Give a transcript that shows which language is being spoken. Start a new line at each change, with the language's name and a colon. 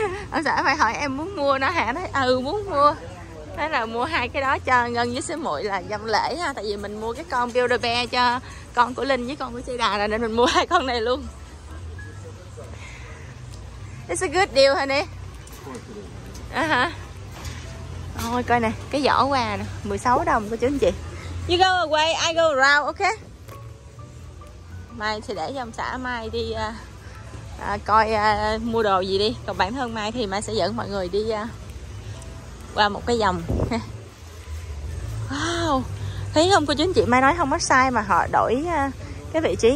Vietnamese: Ông xã phải hỏi em muốn mua nó hả? Nói ừ muốn mua. Thế là mua hai cái đó cho Ngân với xế muội là dâm lễ ha. Tại vì mình mua cái con Build-A-Bear cho con của Linh với con của Cedar là nên mình mua hai con này luôn.
English: It's a good deal honey.
Vietnamese: Ôi coi nè, cái giỏ quà nè, 16 đồng cô chú anh chị.
English: You go away, I go around, ok?
Vietnamese: Mai sẽ để cho ông xã Mai đi coi mua đồ gì đi. Còn bản thân Mai thì Mai sẽ dẫn mọi người đi qua một cái vòng. Wow, thấy không cô chú anh chị, Mai nói không có sai mà họ đổi cái vị trí.